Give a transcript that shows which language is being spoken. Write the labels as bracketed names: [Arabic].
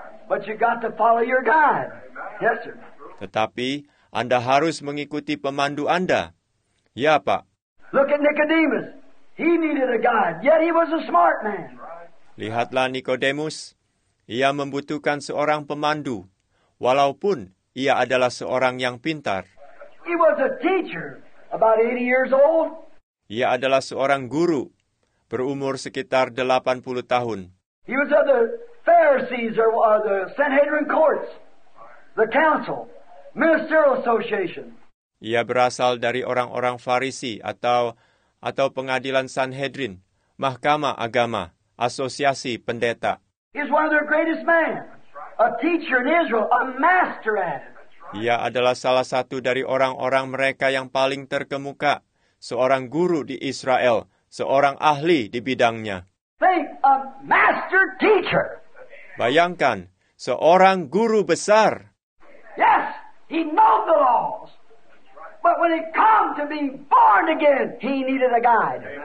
[English] But you got to follow your guide. Yes, sir. [Indonesian] Tetapi Anda harus mengikuti pemandu Anda. Ya, Pak. [English] Look at Nicodemus. He needed a guide, yet he was a smart man. [Indonesian] Lihatlah Nikodemus. Ia membutuhkan seorang pemandu, walaupun ia adalah seorang yang pintar. [English] He was a teacher, about 80 years old. [Indonesian] Ia adalah seorang guru, berumur sekitar 80 tahun. [English] He was of the Pharisees or the Sanhedrin courts, the council, ministerial association. [Indonesian] Ia berasal dari orang-orang Farisi atau pengadilan Sanhedrin, mahkamah agama, asosiasi pendeta. [English] He's one of their greatest men, a teacher in Israel, a master at it. [Indonesian] Ia adalah salah satu dari orang-orang mereka yang paling terkemuka, seorang guru di Israel, seorang ahli di bidangnya. [English] Think, a master teacher. [Indonesian] Bayangkan, seorang guru besar. [English] Yes, he knows the laws. But when it comes to being born again, he needed a guide.